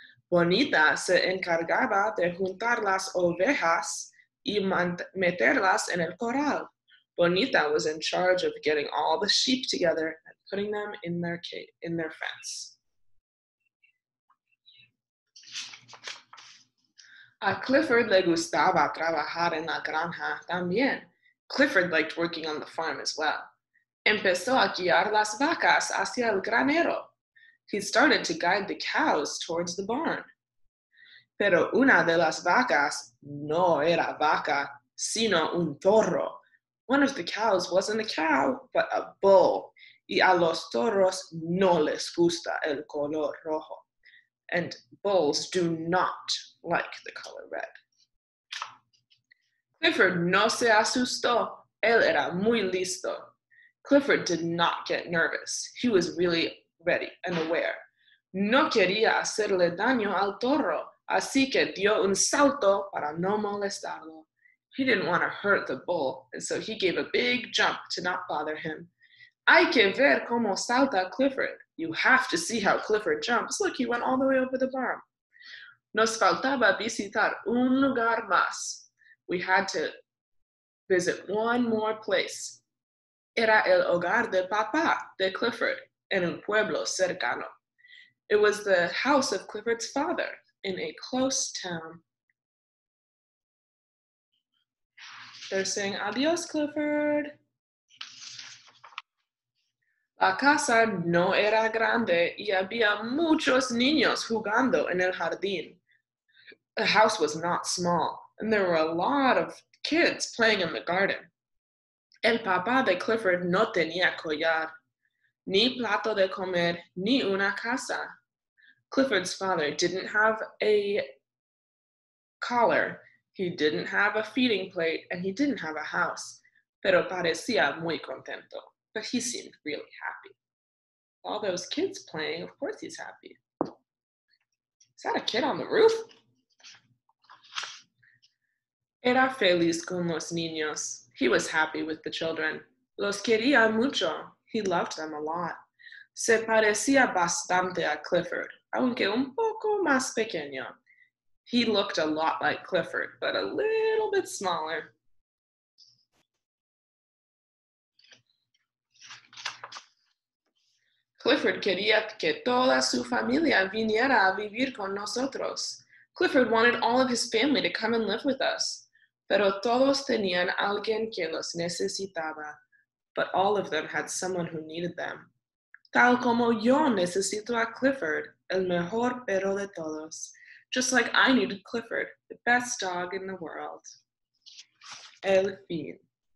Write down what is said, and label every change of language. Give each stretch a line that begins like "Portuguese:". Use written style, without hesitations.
Spanish: Bonita se encargaba de juntar las ovejas y meterlas en el corral.
English: Bonita was in charge of getting all the sheep together and putting them in their fence.
Spanish: A Clifford le gustaba trabajar en la granja también.
English: Clifford liked working on the farm as well.
Spanish: Empezó a guiar las vacas hacia el granero.
English: He started to guide the cows towards the barn.
Spanish: Pero una de las vacas no era vaca, sino un toro.
English: One of the cows wasn't a cow, but a bull.
Spanish: Y a los toros no les gusta el color rojo.
English: And bulls do not like the color red.
Spanish: Clifford no se asustó. Él era muy listo.
English: Clifford did not get nervous. He was really ready and aware.
Spanish: No quería hacerle daño al toro, así que dio un salto para no molestarlo.
English: He didn't want to hurt the bull, and so he gave a big jump to not bother him.
Spanish: Hay que ver cómo salta Clifford.
English: You have to see how Clifford jumps. Look, he went all the way over the barn.
Spanish: Nos faltaba visitar un lugar más.
English: We had to visit one more place.
Spanish: Era el hogar de papá de Clifford en un pueblo cercano.
English: It was the house of Clifford's father in a close town. They're saying adios, Clifford.
Spanish: La casa no era grande y había muchos niños jugando en el jardín.
English: The house was not small, and there were a lot of kids playing in the garden.
Spanish: El papá de Clifford no tenía collar, ni plato de comer, ni una casa.
English: Clifford's father didn't have a collar, he didn't have a feeding plate, and he didn't have a house.
Spanish: Pero parecía muy contento.
English: But he seemed really happy. All those kids playing, of course he's happy. Is that a kid on the roof?
Spanish: Era feliz con los niños.
English: He was happy with the children.
Spanish: Los quería mucho.
English: He loved them a lot.
Spanish: Se parecía bastante a Clifford, aunque un poco más pequeño.
English: He looked a lot like Clifford, but a little bit smaller.
Spanish: Clifford quería que toda su familia viniera a vivir con nosotros.
English: Clifford wanted all of his family to come and live with us.
Spanish: Pero todos tenían alguien que los necesitaba.
English: But all of them had someone who needed them.
Spanish: Tal como yo necesito a Clifford, el mejor perro de todos.
English: Just like I needed Clifford, the best dog in the world.
Spanish: El fin.